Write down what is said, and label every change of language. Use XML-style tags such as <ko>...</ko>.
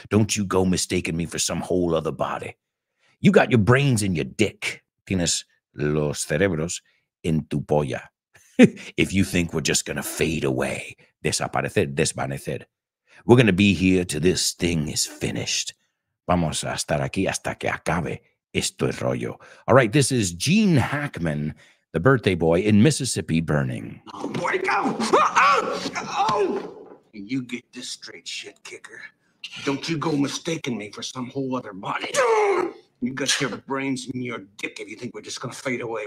<en>Don't you go mistaking me for some whole other body. You got your brains in your dick.</en> <es>Tienes los cerebros en tu polla.</es> <en>If you think we're just going to fade away, desaparecer, desvanecer. We're going to be here till this thing is finished.</en> <es>Vamos a estar aquí hasta que acabe este rollo.</es> <en>All right, this is Gene Hackman, the birthday boy in Mississippi Burning. Where'd it go? Oh! You get this straight, shit kicker. Don't you go mistaking me for some whole other body. You got your brains in your dick if you think we're just going to fade away.</en>